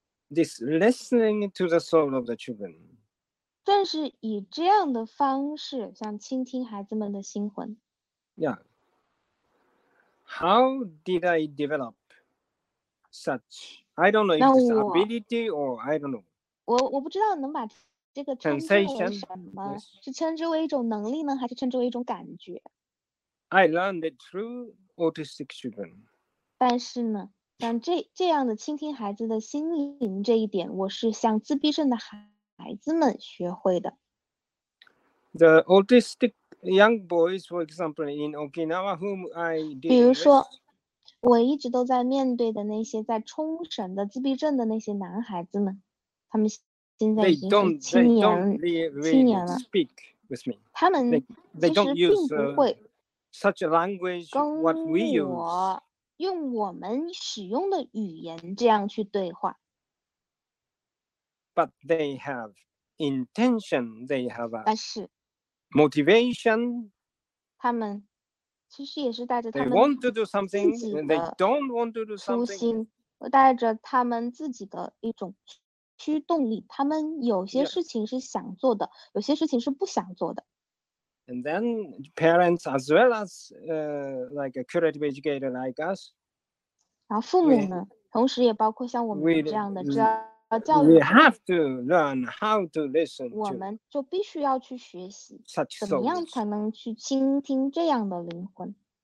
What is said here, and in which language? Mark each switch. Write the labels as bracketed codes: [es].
[en] This listening to the soul of the children. [zh] 正是以这样的方式，像倾听孩子们的心魂。 [en] Yeah. How did I develop such? I don't know if it's ability or I don't know. [zh] 我不知道能把这个称之为什么， [en] yes. [zh] 是称之为一种能力呢，还是称之为一种感觉？ [en] I learned it through autistic children. [zh] 但是呢？像这样的倾听孩子的心灵这一点，我是向自闭症的孩子们学会的。 [en] The autistic young boys, for example, in Okinawa, whom I did. [zh] 比如说，我一直都在面对的那些在冲绳的自闭症的那些男孩子们，他们现在已经是青年了。 [en] Speak with me. [zh] 他们其实并不会 [en] such a language what we use. [zh] 用我们使用的语言这样去对话。 [en] But they have intention, they have a motivation. [zh] 他们其实也是带着他们 [en] they want to do something, they don't want to do something. [zh] 初心，带着他们自己的一种驱动力，他们有些事情是想做的，有些事情是不想做的。 [en] And then parents, as well as like a curative educator like us. [zh] 然后父母呢，同时也包括像我们这样的治疗教育。 [en] We have to learn how to listen. [zh] 我们就必须要去学习，怎么样才能去倾听这样的灵魂。